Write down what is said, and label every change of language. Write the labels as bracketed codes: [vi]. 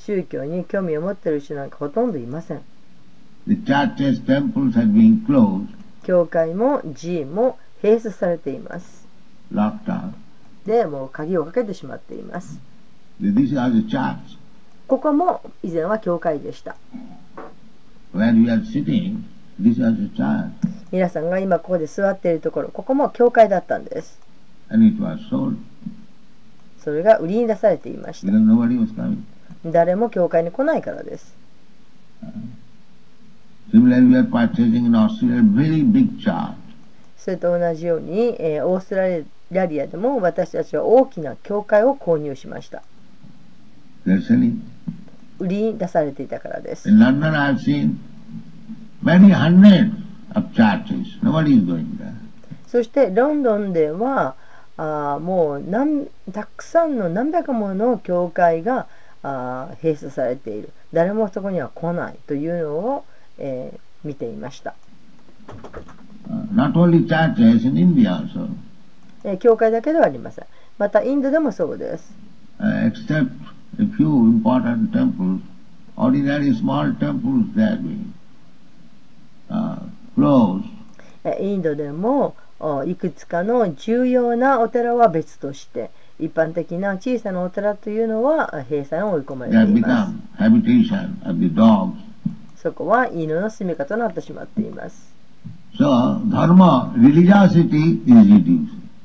[ja] 宗教に興味を持っている人なんかほとんどいません。 [en] The churches, temples have been closed. [ja] 教会も寺院も閉鎖されています。 [en] Locked up. [ja] でもう鍵をかけてしまっています。 [en] These are the church. [ja] ここも以前は教会でした。 [en] When we are sitting, these are the church. [ja] 皆さんが今ここで座っているところ、ここも教会だったんです。 [en] And it was sold. [ja] それが売りに出されていました。 [en] Because nobody was coming. [ja] 誰も教会に来ないからです。 [en] Similarly, we are purchasing in Australia a very big church. [ja] それと同じように、オーストラリアでも私たちは大きな教会を購入しました。 [en] They're selling. [ja] 売りに出されていたからです。 [en] In London, I've seen many hundreds of churches. Nobody is going there. [ja] そしてロンドンではもうたくさんの何百もの教会が閉鎖されている、誰もそこには来ないというのを、見ていました。 [en] Not only churches, in India also. [ja] 教会だけではありません。またインドでもそうです。 [en] Except a few important temples, ordinary small temples that have been closed. [ja] インドでもいくつかの重要なお寺は別として、一般的な小さなお寺というのは閉鎖に追い込まれています。そこは犬の住処となってしまっています。 [en] So, dharma, religiosity is reduced.